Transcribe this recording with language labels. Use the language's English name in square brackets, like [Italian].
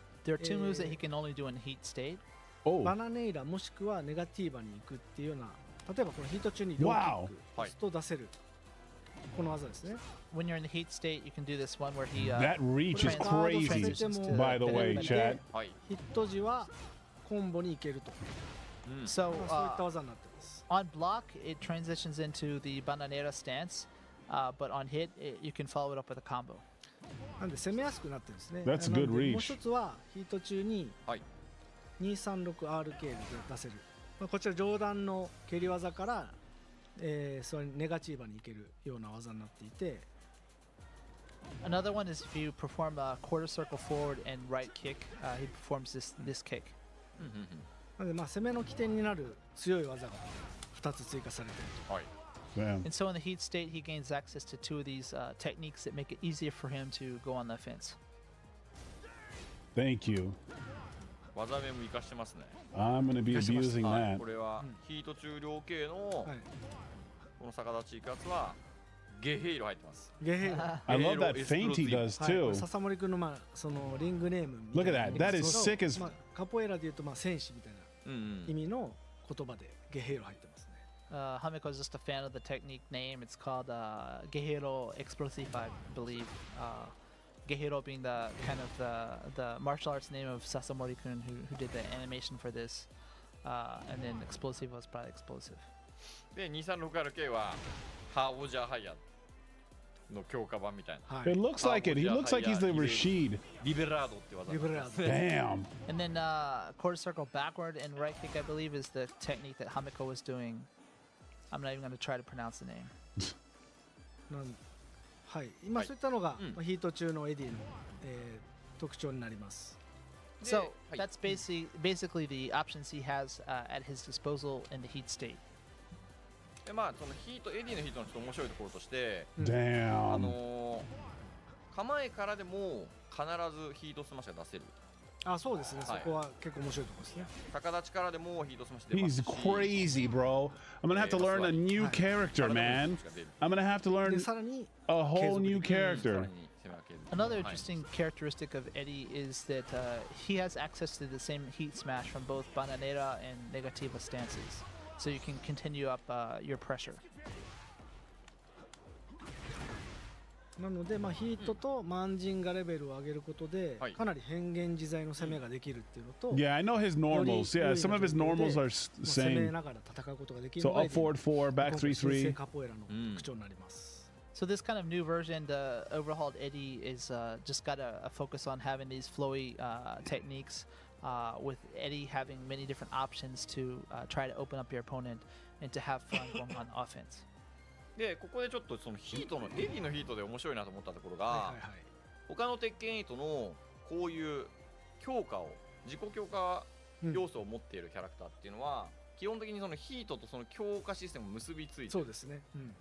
[English] There are two moves that he can only do in heat state. [Japanese] バナネイラもしくはネガティーバに行くっていうような。例えばこのヒート中にローキックを押すと出せるこの技ですね。 [English] When you're in the heat state, you can do this one where he that reach is crazy. By the way, chat. [Japanese] ヒット時はコンボに行けると。 [English] So [Japanese] そういった技になってます。 [English] On block, it transitions into the bananera stance, but on hit, you can follow it up with a combo. [Japanese] なんで攻めやすくなってるんですね。 [English] That's good reach. [Japanese] もう一つはヒート中に236 RK で出せる。こちら上段の蹴り技から、それネガチーバに行けるような技になっていて。 [English] Another one is if you perform a quarter circle forward and right kick, he performs this kick. [Japanese] なのでまあ攻めの起点になる強い技が2つ追加されている。はい。 [English] And so in the heat state, he gains access to two of these techniques that make it easier for him to go on the offense. Thank you. [Japanese] 技名も活かしてますね。 [English] I'm gonna be abusing that. [Japanese] これはヒート中量系のこの逆立ち行くやつはゲヘイロ入ってます。ゲヘイロ。 [English] I love that feint he does too. [Japanese] ササモリ君のまあそのリングネーム。 [English] Look at that. That is sick as. [Japanese] カポエラで言うとまあ戦士みたいな意味の言葉でゲヘイロ入ってますね。 [English] Hameko is just a fan of the technique name. It's called ゲヘイロ Explosive, I believe. Gehiro being the kind of the martial arts name of Sasamori-kun who did the animation for this and then Explosive was probably Explosive. [Japanese] で 236RK はハオジャハイヤの強化版みたいな。 [English] It looks like it. He looks like he's the Rashid. [Japanese] リベラードって技。リベラード。 [English] Damn! And then quarter circle backward and right kick I believe is the technique that Hameko was doing. I'm not even going to try to pronounce the name. [Japanese] はい、今そういったのが、はい、ヒート中のエディの、特徴になります。 [English] So that's basically the options he has at his disposal in the heat state. [Japanese] で、まあそのヒートエディのヒートのちょっと面白いところとして、 [English] Damn. [Japanese] 構えからでも必ずヒートスマッシュが出せる。あ、そうですね。はい、そこは結構面白いところですね。高立ちからでもヒートスマッシュ出ますし。 [English] He's crazy, bro. I'm gonna have to learn a new character, man. I'm gonna have to learn a whole new character. Another interesting characteristic of Eddy is that he has access to the same heat smash from both Bananera and Negativa stances. So you can continue up your pressure. [Japanese] なので、まあ、ヒートとマンジンガレベルを上げることで、かなり変幻自在の攻めができるっていうのと、 [English] Yeah, I know his normals. Yeah, some of his normals are same. [Japanese] 攻めながら戦うことができる。 [English] So up forward four, back three three. [Japanese] カポエラの特徴になります。 [English] So this kind of new version, the overhauled Eddy, is just got a focus on having these flowy techniques, with Eddy having many different options to try to open up your opponent and to have fun going on offense. [Japanese] でここでちょっとそのヒートのエディのヒートで面白いなと思ったところが、はいはいはい、他の鉄拳8のこういう強化を自己強化要素を持っているキャラクターっていうのは、うん、基本的にそのヒートとその強化システムを結びついて、そうですね、うん、